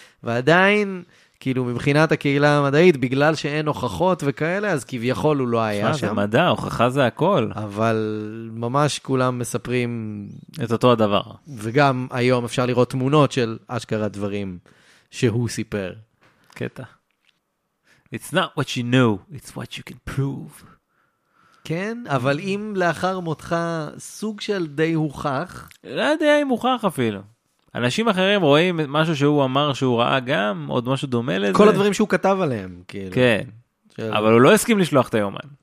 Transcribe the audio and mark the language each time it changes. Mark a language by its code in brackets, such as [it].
[he] ועדיין, כאילו מבחינת הקהילה המדעית, בגלל שאין הוכחות וכאלה, אז כביכול הוא לא היה שם. זה מדע, הוכחה זה הכל. אבל ממש כולם מספרים את אותו הדבר. וגם היום אפשר לראות תמונות של אשכרה דברים שהוא סיפר. קטע. [en] It's not what you know, it's what you can prove. [he] כן, אבל אם לאחר מותך סוג של די הוכח... לא יודע אם הוכח אפילו. אנשים אחרים רואים משהו שהוא אמר שהוא ראה גם, עוד משהו דומה לזה. כל הדברים שהוא כתב עליהם, כאילו. כן, אבל הוא לא הסכים לשלוח את היומן.